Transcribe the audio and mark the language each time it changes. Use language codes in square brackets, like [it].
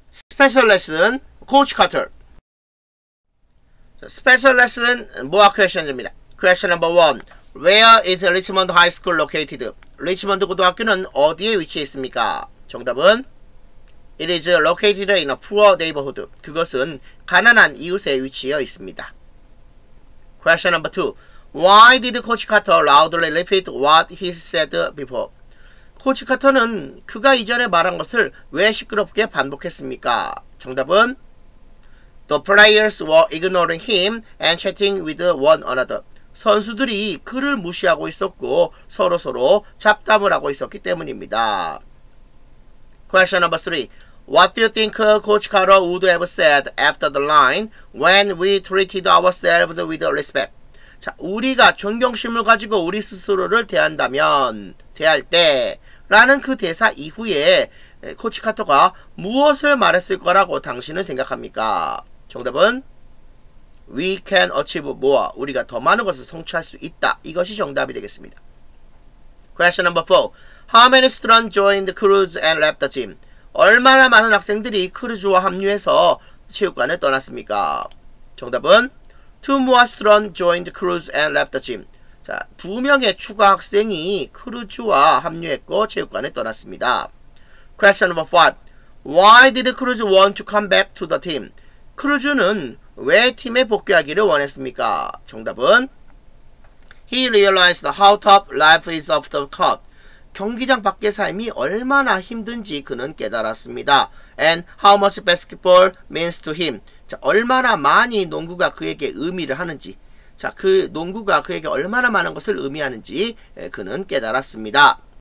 [ko] 스페셜 레슨 코치 카터. 스페셜 레슨 모아 퀘션즈입니다. [en] 퀘션 넘버 1. Where is Richmond High School located? [ko] 리치먼드 고등학교는 어디에 위치해 있습니까? 정답은 [en] It is located in a poor neighborhood. [ko] 그것은 가난한 이웃에 위치해 있습니다. [en] Question number 2. Why did Coach Carter loudly repeat what he said before? [ko] Coach Carter는 그가 이전에 말한 것을 왜 시끄럽게 반복했습니까? 정답은 [en] The players were ignoring him and chatting with one another. [ko] 선수들이 그를 무시하고 있었고 서로서로 잡담을 하고 있었기 때문입니다. [en] Question number 3. What do you think Coach Carter would have said after the line when we treated ourselves with respect? [ko] 자, 우리가 존경심을 가지고 우리 스스로를 대한다면, 대할 때, 라는 그 대사 이후에 코치 카터가 무엇을 말했을 거라고 당신은 생각합니까? 정답은 [en] We can achieve more. [ko] 우리가 더 많은 것을 성취할 수 있다. 이것이 정답이 되겠습니다. [en] Question number 4. How many students joined the cruise and left the gym? [ko] 얼마나 많은 학생들이 크루즈와 합류해서 체육관을 떠났습니까? 정답은 [en] Two more students joined the cruise and left the gym. [ko] 자, 두 명의 추가 학생이 크루즈와 합류했고 체육관을 떠났습니다. [en] Question number 5. Why did Cruz want to come back to the team? [ko] 크루즈는 왜 팀에 복귀하기를 원했습니까? 정답은 [en] He realized how tough life is off the court. [ko] 경기장 밖의 삶이 얼마나 힘든지 그는 깨달았습니다. [en] And how much basketball means to him. [ko] 자, 얼마나 많이 농구가 그에게 의미를 하는지, 자, 그 농구가 그에게 얼마나 많은 것을 의미하는지 그는 깨달았습니다.